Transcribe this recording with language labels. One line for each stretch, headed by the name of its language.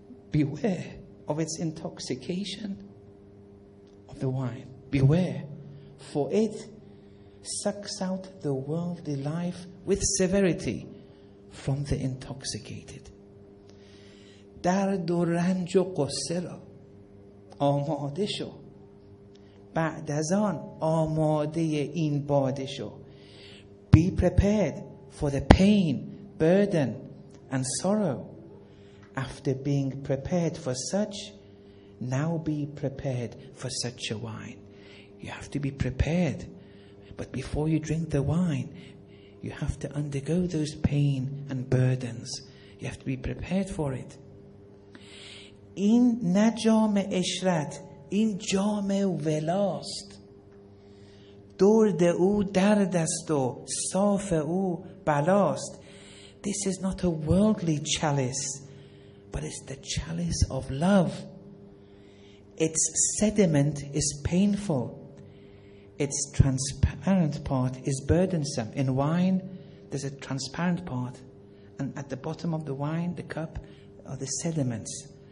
English: Beware of its intoxication of the wine. Beware, for it sucks out the worldly life with severity from the intoxicated.
Persian: درد و رنج و قصه را آماده شو، بعد از آن آماده این باده شو.
English: Be prepared for the pain, burden and sorrow. After being prepared for such, now be prepared for such a wine. You have to be prepared, but before you drink the wine, you have to undergo those pain and burdens. You have to be prepared for it.
Persian: این نجام اشرت، این جام ولاست، درد او درد است و صاف او بلاست.
English: This is not a worldly chalice, but it's the chalice of love. Its sediment is painful, its transparent part is burdensome. In wine there's a transparent part, and at the bottom of the wine, the cup, are the sediments.